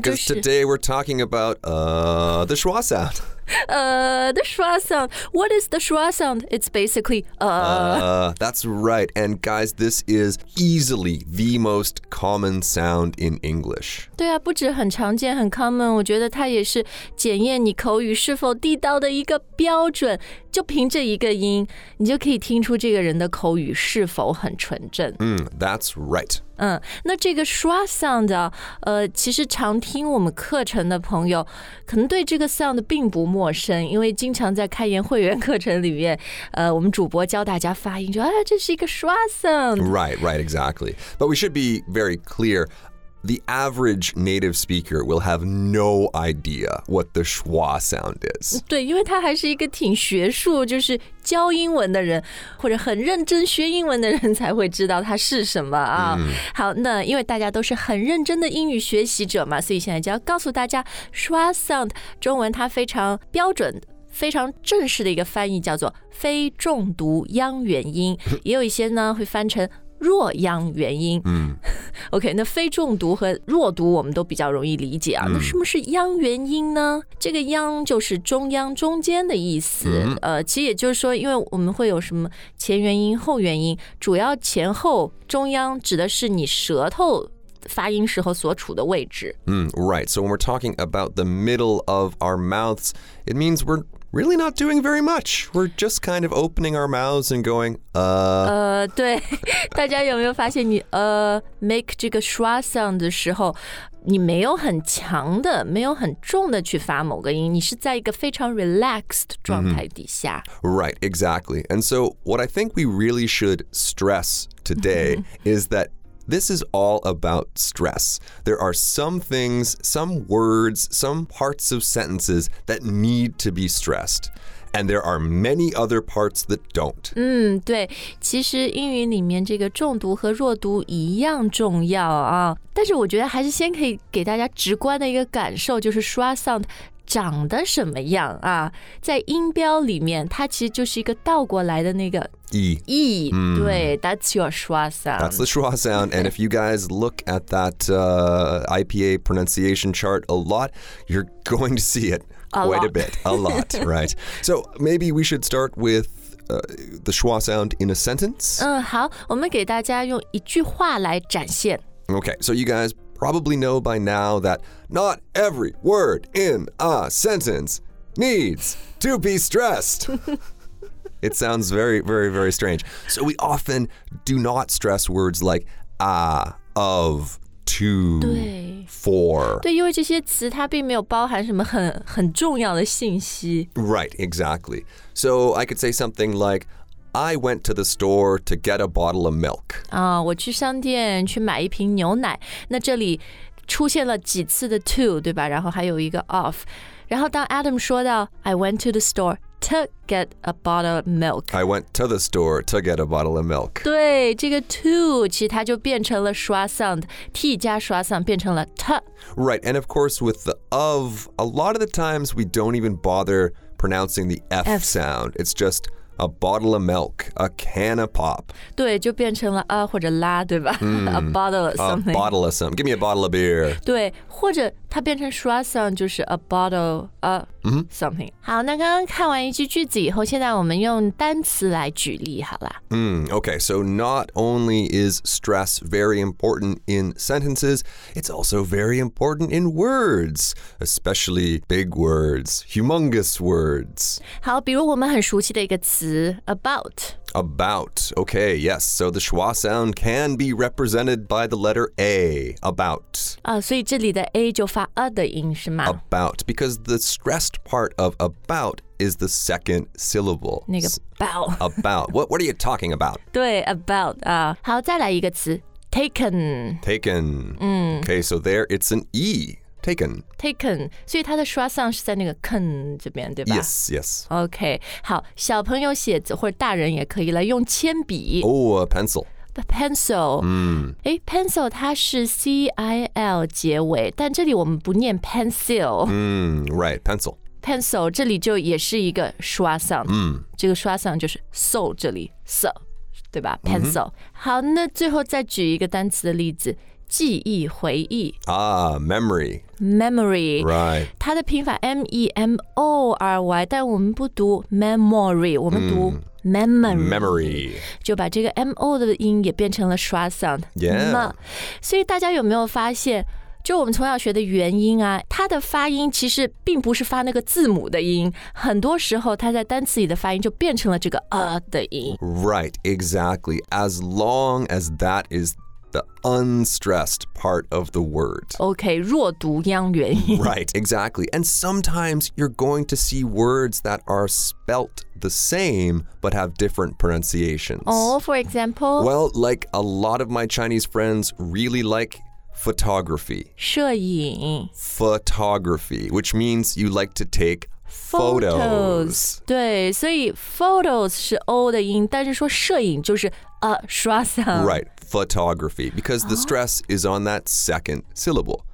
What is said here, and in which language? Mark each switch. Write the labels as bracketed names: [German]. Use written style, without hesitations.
[Chinese] 就是 [English] today we're talking about the schwa sound. The schwa sound. What is the schwa sound? It's basically That's right. And guys, this is easily the most common sound in English. [Chinese] 对啊，不止很常见，很 common。我觉得它也是检验你口语是否地道的一个标准。就凭这一个音，你就可以听出这个人的口语是否很纯正。 [English] 嗯 ，That's right。 [Chinese] 嗯，那这个 schwa sound 啊，其实常听我们课程的朋友可能对这个 sound 并不陌生，因为经常在开言会员课程里面，我们主播教大家发音，就啊，这是一个 schwa sound。 [English] Right, exactly. But we should be very clear. The average native speaker will have no idea what the schwa sound is. [Chinese] 对，因为它还是一个挺学术，就是。教英文的人或者很认真学英文的人才会知道它是什么啊。好，那因为大家都是很认真的英语学习者嘛，所以现在就要告诉大家 schwa sound 中文它非常标准非常正式的一个翻译叫做非重读央元音，也有一些呢会翻成弱央元音。 OK， 那非重读和弱读我们都比较容易理解啊。那什么是央元音呢？这个央就是中央中间的意思。其实也就是说，因为我们会有什么前元音后元音，主要前后中央指的是你舌头发音时候所处的位置。 [English] Right. So when we're talking about the middle of our mouths, it means we're really not doing very much. We're just kind of opening our mouths and going, [Chinese] 对，大家有没有发现你make 这个 schwa sound 的时候，你没有很强的，没有很重的去发某个音，你是在一个非常 relaxed 状态底下。 [English] Right, exactly. And so what I think we really should stress today is that this is all about stress. There are some things, some words, some parts of sentences that need to be stressed. And there are many other parts that don't. [Chinese] 对，其实英语里面这个重读和弱读一样重要啊。但是我觉得还是先可以给大家直观的一个感受，就是 schwa sound 长得什么样啊。在音标里面，它其实就是一个倒过来的那个 [English] E. E, right, that's your schwa sound. That's the schwa sound. And if you guys look at that IPA pronunciation chart a lot, you're going to see it quite a bit. A lot, right. So maybe we should start with the schwa sound in a sentence. [Chinese] 好，我们给大家用一句话来展现。 [English] Okay, so you guys probably know by now that not every word in a sentence needs to be stressed. It sounds very, very, very strange. So we often do not stress words like of, to, for. [Chinese] 对，因为这些词它并没有包含什么很重要的信息。 [English] Right, exactly. So I could say something like, I went to the store to get a bottle of milk. [Chinese] 我去商店去买一瓶牛奶。那这里出现了几次的 to, 对吧？然后还有一个 of. 然后当 Adam 说到 [English] I went to the store,To get a bottle of milk. I went to the store to get a bottle of milk. [Chinese] 对，这个 to 其实它就变成了 schwa sound, T 加 schwa sound 变成了 t. [English] Right, and of course with the of, a lot of the times we don't even bother pronouncing the F sound. It's just a bottle of milk, a can of pop. [Chinese] 对，就变成了或者啦，对吧？ [English] A bottle of something. A bottle of something. Give me a bottle of beer. [Chinese] 对，或者它变成 schwa sound 就是 a bottle of something. 好，那刚刚看完一句句子以后，现在我们用单词来举例好了。 [English] Okay, so not only is stress very important in sentences, it's also very important in words, especially big words, humongous words. [Chinese] 好，比如我们很熟悉的一个词 about. [English] About. Okay, yes. So the schwa sound can be represented by the letter A, about. [Chinese] 所以这里的 A 就发 a 的音是吗 [English] About, because the stressed part of about is the second syllable. [Chinese] 那个 about. [English] About. What are you talking about? [Chinese] 对 about. 好再来一个词 taken. [English] Taken. Okay, so there it's an E. Taken. Taken. [Chinese] 所以它的 schwa sound 是在那个 ken 这边，对吧 [English] ？Yes, yes. Okay. [Chinese] 好，小朋友写字或者大人也可以来用铅笔。 [English] A pencil. The pencil. [Chinese] Pencil 它是 c i l 结尾，但这里我们不念 pencil. [English] Right. Pencil. [Chinese] pencil 这里就也是一个刷嗓，嗯，这个刷嗓就是 so 这里 so 对吧 pencil、嗯、好，那最后再举一个单词的例子，记忆回忆 [English] 啊、memory memory right [Chinese] 它的拼法 m-e-m-o-r-y 但我们不读 memory 我们读、嗯Memory, [English] memory [Chinese] 就把这个 MO 的音也变成了刷 sound、 [English] yeah. [Chinese] 所以大家有没有发现就我们从小学的元音啊它的发音其实并不是发那个字母的音很多时候它在单词里的发音就变成了这个 的音 [English] Right, exactly As long as that is the unstressed part of the word [Chinese] OK, 弱读央元音 [English] Right, exactly And sometimes you're going to see words that are speltthe same, but have different pronunciations. Oh, for example? Well, like a lot of my Chinese friends really like photography. [Chinese] 摄影 [English] Photography, which means you like to take photos. [Chinese] 对，所以 photos 是 O 的音，但是说摄影就是 刷嗓。 [English] Right, photography, because the stress is on that second syllable.